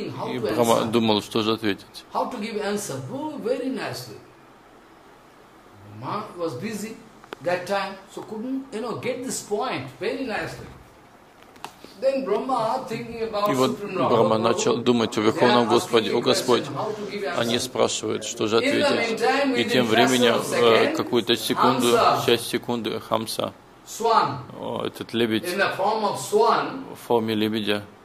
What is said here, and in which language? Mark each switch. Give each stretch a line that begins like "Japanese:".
Russian: И Брахма думал, что же ответить.
English: How to give answer? Oh, very nicely. Brahma was busy that time, so couldn't, you know, get this point very nicely. Then Brahma thinking about.
Russian: И вот Брахма начал думать о Верховном Господе, о Господь. Они спрашивают, что же ответить. И тем временем какую-то секунду, часть секунды Хамса.
English: Swan.
Russian: О, этот лебедь.
English: In the form of swan.
Russian: В форме лебедя.